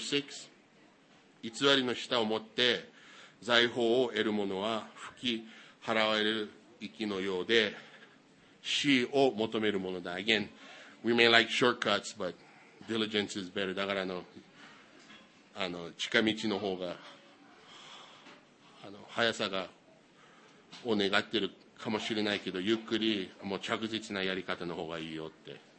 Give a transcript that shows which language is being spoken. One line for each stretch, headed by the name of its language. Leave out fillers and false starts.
Japanese: Verse 6、 偽りの舌を持って財宝を得る者は吹き払われる息のようで、死を求める者だ。
English: Again, we may like shortcuts, but diligence is better.
Japanese: だからあの近道の方が、あの速さがを願ってるかもしれないけど、ゆっくりもう着実なやり方の方がいいよって。